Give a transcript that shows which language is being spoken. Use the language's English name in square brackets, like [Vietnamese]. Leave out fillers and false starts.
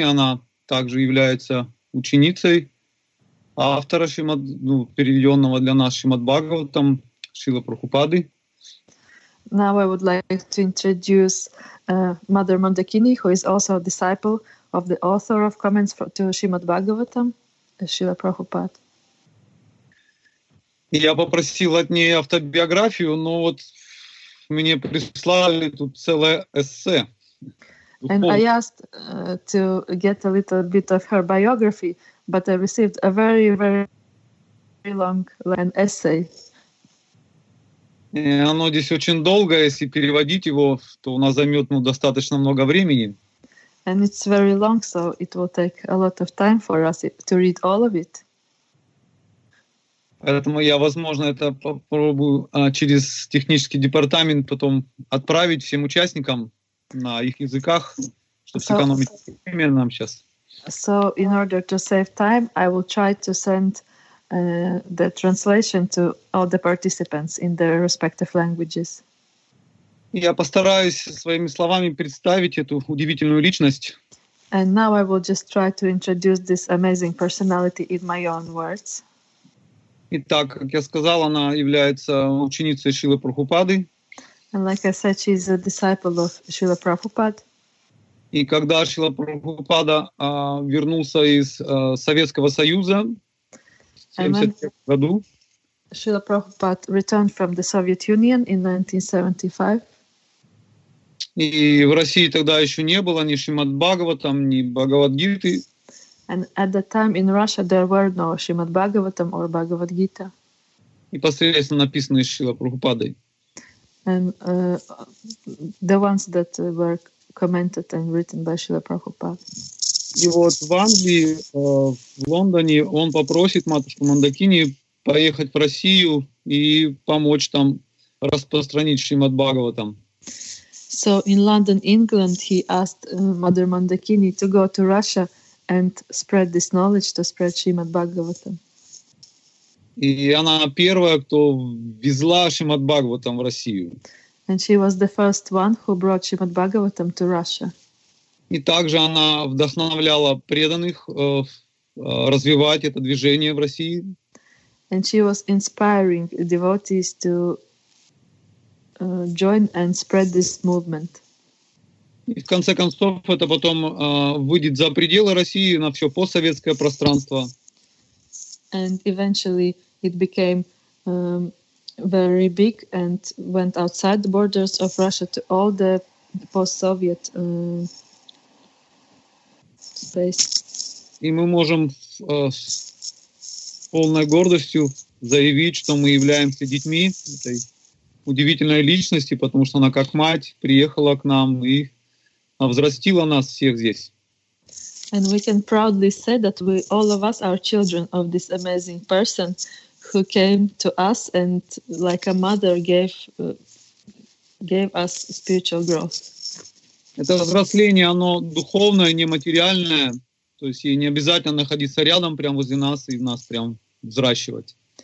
[Russian] Она также является ученицей автора Шримад, ну, переведенного для нас Шримад Бхагаватам. Шрила Прабхупады. [English] Now I would like to introduce Mother Mandakini, who is also a disciple of the author of comments to Shrimad Bhagavatam, Srila Prabhupada. [Russian] Я попросил от ней автобиографию, но вот мне прислали тут целое эссе. [English] And I asked to get a little bit of her biography, but I received a very, very, very long essay. [Russian] И оно здесь очень долгое, если переводить его, то у нас займет, ну, достаточно много времени. [English] And it's very long, so it will take a lot of time for us to read all of it. [Russian] Поэтому я, возможно, это попробую через технический департамент потом отправить всем участникам на их языках, чтобы сэкономить время нам сейчас. [English] So in order to save time, I will try to send the translation to all the participants in their respective languages. [Russian] Я постараюсь своими словами представить эту удивительную личность. [English] And now I will just try to introduce this amazing personality in my own words. [Russian] Итак, как я сказал, она является ученицей Шрилы Прабхупады. [English] And like I said, she is a disciple of Srila Prabhupada. [Russian] И когда Шрила Прабхупада вернулся из Советского Союза в 1975 году, [English] Шрила Прабхупада returned from the Soviet Union in 1975. [Russian] И в России тогда еще не было ни Шримад Бхагаватам, ни Бхагавадгиты. [English] And at that time in Russia there were no Shrimad Bhagavatam or Bhagavad Gita. [Russian] Непосредственно написанные Шрила Прабхупадой. [English] And the ones that were commented and written by Srila Prabhupada. [Russian] И вот в Англии, в Лондоне, он попросит матушку Мандакини поехать в Россию и помочь там распространить Шримад Бхагаватам. [English] So in London, England, he asked Mother Mandakini to go to Russia and spread this knowledge, to spread Shrimad Bhagavatam. [Russian] И она первая, кто везла Шримад Бхагаватам в Россию. [English] And she was the first one who brought Shrimad Bhagavatam to Russia. [Russian] И также она вдохновляла преданных развивать это движение в России. [English] And she was inspiring devotees to join and spread this movement. [Russian] И в конце концов это потом выйдет за пределы России на все постсоветское пространство. [English] And eventually it became very big and went outside the borders of Russia to all the post-Soviet space. [Russian] И мы можем с полной гордостью заявить, что мы являемся детьми этой удивительной личности, потому что она как мать приехала к нам и взрастила нас всех здесь. [English] And we can proudly say that we, all of us, are children of this amazing person who came to us and, like a mother, gave us spiritual growth. [Russian] Это взросление, оно духовное, нематериальное, то есть ей не обязательно находиться рядом, прямо возле нас и нас прям взращивать.